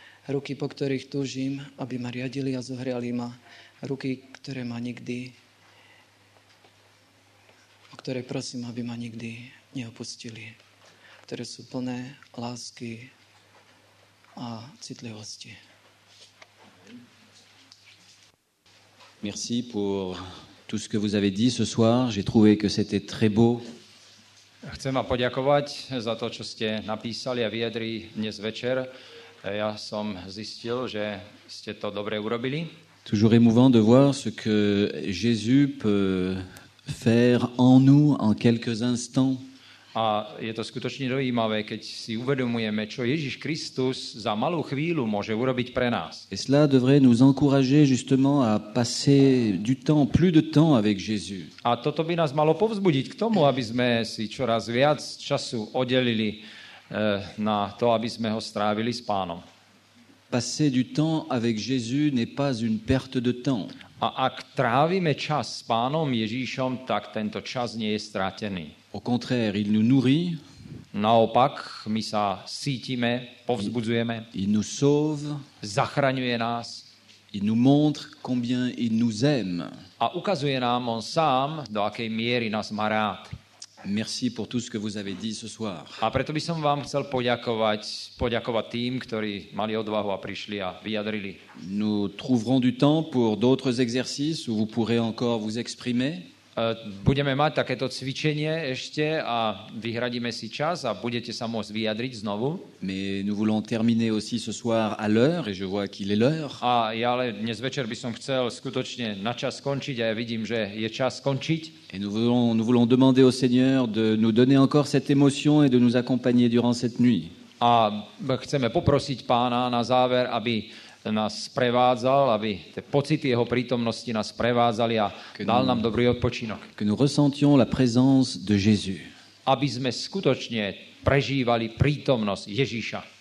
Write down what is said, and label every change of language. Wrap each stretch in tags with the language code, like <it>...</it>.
<sk>Ruky, po ktorých túžim, aby ma riadili a zohriali ma. Ruky, ktoré ma nikdy, o ktoré prosím, aby ma nikdy neopustili. Ktoré sú plné lásky a citlivosti.</sk> <fr>Merci pour tout ce que vous avez dit ce soir. J'ai trouvé que c'était très beau.</fr> <sk>Chcem vám poďakovať za to, čo ste napísali a vyjadrili dnes večer. Ja som zistil, že ste to dobre urobili.</sk> <fr>Toujours émouvant de voir ce que Jésus peut faire en nous en quelques instants.</fr> <sk>A je to skutočne zaujímavé, keď si uvedomujeme, čo Ježiš Kristus za malú chvíľu môže urobiť pre nás.</sk> <fr>Et cela devrait nous encourager justement à passer du temps, plus de temps avec Jésus.</fr> <sk>A toto by nás malo povzbudiť k tomu, aby sme si čoraz viac času oddelili na to, aby sme ho strávili s Pánom.</sk> <fr>Passer du temps avec Jésus n'est pas une perte de temps.</fr> <sk>A ak trávime čas s Pánom Ježíšom, tak tento čas nie je stratený.</sk> <fr>Au contraire, il nous nourrit.</fr> <sk>Naopak, my sa sítime, povzbudzujeme.</sk> <fr>Il nous sauve.</fr> <sk>Zachraňuje nás.</sk> <fr>Il nous montre combien il nous aime.</fr> <sk>A ukazuje nám on sám, do akej miery nás má rád.</sk> <fr>Merci pour tout ce que vous avez dit ce soir.</fr> <sk>A preto by som vám chcel poďakovať tým, ktorí mali odvahu a prišli a vyjadrili.</sk> <fr>Nous trouverons du temps pour d'autres exercices où vous pourrez encore vous exprimer.</fr> <sk>Budeme mať takéto cvičenie ešte a vyhradíme si čas a budete sa môcť vyjadriť znovu.</sk> <fr>Mais nous voulons terminer aussi ce soir à l'heure et je vois qu'il est l'heure.</fr> <sk>A ja ale dnes večer by som chcel skutočne na čas skončiť a ja vidím, že je čas skončiť.</sk> <fr>Et nous voulons demander au Seigneur de nous donner encore cette émotion et de nous accompagner durant cette nuit.</fr> <sk>A chceme poprosiť Pána na záver, aby nás prevádzal, aby tie pocity jeho prítomnosti nás prevádzali a dal nám dobrý odpočinok.</sk> <fr>Que nous ressentions la présence de Jésus.</fr> <sk>Aby sme skutočne prežívali prítomnosť Ježíša.</sk>